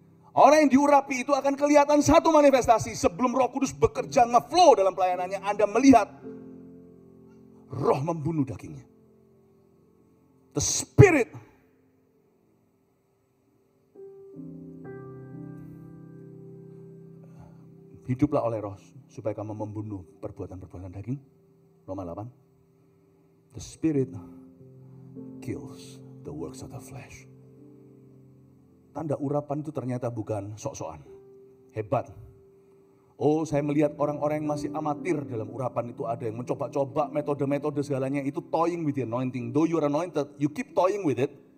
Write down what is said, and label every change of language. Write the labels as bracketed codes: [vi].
[id] Orang yang diurapi itu akan kelihatan satu manifestasi. Sebelum Roh Kudus bekerja ngeflow dalam pelayanannya, Anda melihat roh membunuh dagingnya. [en] The spirit. [id] Hiduplah oleh roh supaya kamu membunuh perbuatan-perbuatan daging. Roma 8. [en] The spirit kills the works of the flesh. [id] Tanda urapan itu ternyata bukan sok-sokan. Hebat. Oh, saya melihat orang-orang yang masih amatir dalam urapan itu, ada yang mencoba-coba metode-metode segalanya. [en] Itu toying with the anointing. Though you are anointed, you keep toying with it.